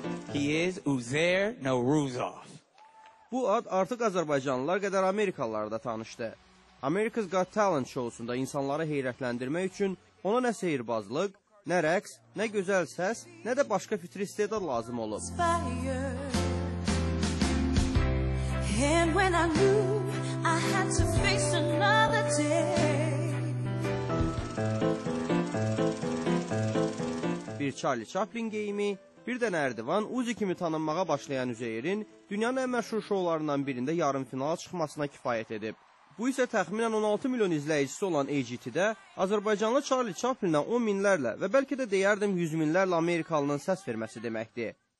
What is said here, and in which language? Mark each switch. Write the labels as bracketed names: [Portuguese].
[English] He is Uzair Nowruzov. [Azerbaijani] Bu ad artıq Azərbaycanlılar qədər Amerikalılar da tanışdı. America's Got Talent şousunda insanları heyrətləndirmək üçün ona nə sehirbazlıq, nə rəqs, nə gözəl səs, nə də başqa fitri istedad lazım olub. [English] And when I knew I had to face another day. [Azerbaijani] Bir Charlie Chaplin geyimi, bir də Nərdivan Uzi kimi tanınmağa başlayan Üzeyrin dünyanın ən məşhur şoularından birində yarım finala çıxmasına kifayət edib. Bu isə təxminən 16 milyon izləyicisi olan AGT-də Azərbaycanlı Charlie Chaplinə 10 minlərlə və bəlkə də deyərdim 100 minlərlə Amerikalının səs verməsi deməkdir.